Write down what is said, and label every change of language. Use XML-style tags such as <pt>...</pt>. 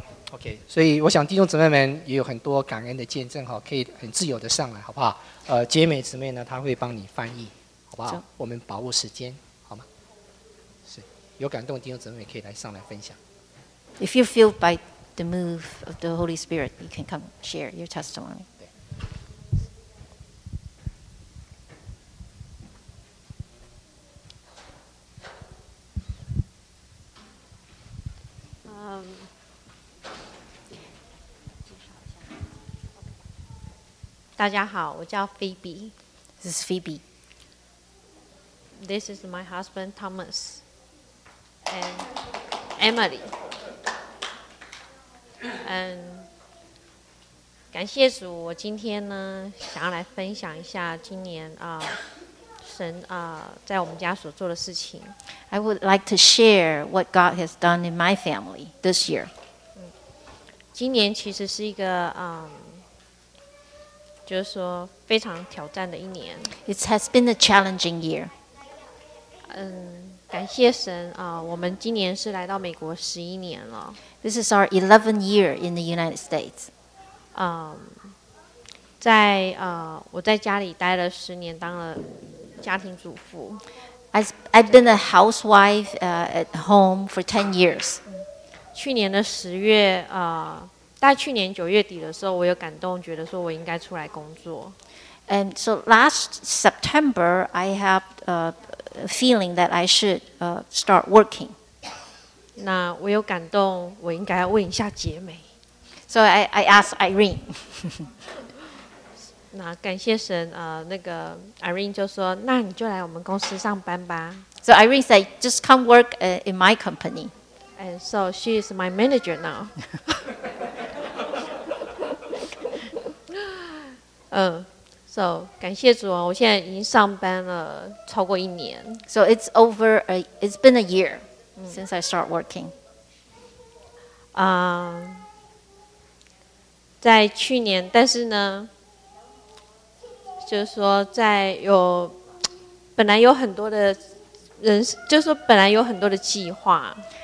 <zh>OK, 所以我想弟兄姊妹们也有很多感恩的见证可以很自由的上来好不好杰美姊妹呢她会帮你翻译好不好我们把握时间好吗是有感动的弟兄姊妹可以来上来分享</zh> <en>If you feel by the move of the Holy Spirit you can come share your testimony</en> <zh>大家好，我叫 Phoebe.</zh> <en>This is Phoebe. This is my husband Thomas and Emily.</en> <zh>And 感谢主，我今天呢想要来分享一下今年神在我们家所做的事情。</zh> <en>I would like to share what God has done in my family this year.</en> <zh>今年其实是一个就是说非常挑战的一年</zh> <en>It has been a challenging year</en> <zh>感谢神啊！我们今年是来到美国十一年了。</zh> <en>This is our 11th year in the United States.</en> <zh>在我在家里待了十年，当了家庭主妇。</zh> <en>I've been a housewife at home for 10 years.</en> <zh>去年的十月在去年九月底的时候，我有感动，觉得说我应该出来工作。</zh> <en>And so last September, I have a feeling that I should start working.</en> <zh>那我有感动，我应该要问一下杰美。</zh> <en>So I asked Irene.</en> <zh>那感谢神，那个 Irene 就说，那你就来我们公司上班吧。</zh> <en>So Irene said, just come work in my company. And so she is my manager now.</en> <zh>So, 感谢主啊，我现在已经上班了超过一年。</zh> <en>So it's over, it's been a year since I start working.</en> <zh>在去年，但是呢，就是说在有，本来有很多的人，就是说本来有很多的计划。</zh>